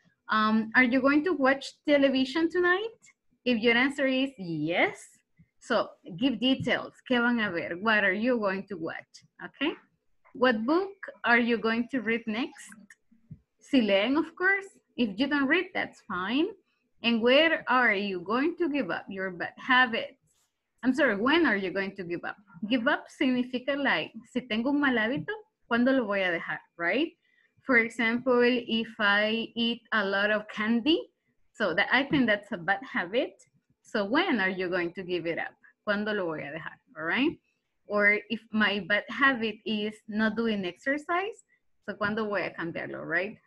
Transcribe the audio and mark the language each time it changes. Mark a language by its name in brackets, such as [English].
[English] Are you going to watch television tonight? If your answer is yes, so give details. ¿Qué van a ver? What are you going to watch, okay? What book are you going to read next? Si leen, of course. If you don't read, that's fine. And where are you going to give up your bad habits? I'm sorry, when are you going to give up? [Spanish] Give up significa like, si tengo un mal hábito, ¿cuándo lo voy a dejar, right? [English] For example, if I eat a lot of candy, so that I think that's a bad habit. So when are you going to give it up? ¿Cuándo lo voy a dejar? All right? Or if my bad habit is not doing exercise, so ¿cuándo voy a cambiarlo, right?